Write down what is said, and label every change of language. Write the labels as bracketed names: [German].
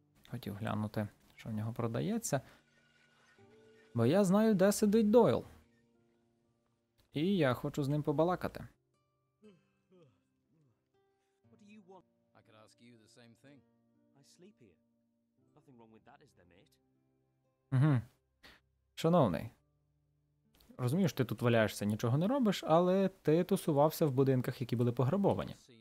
[Ukrainian] Хотів глянути, що в нього продається. Бо я знаю, де сидить Дойл. І я хочу з ним побалакати. [English] What do you want? I could ask you the same thing. I sleep here. Nothing wrong with that, is there, mate? [Ukrainian] Шановний. Розумієш, ти тут валяєшся, нічого не робиш, але ти тусувався в будинках, які були пограбовані.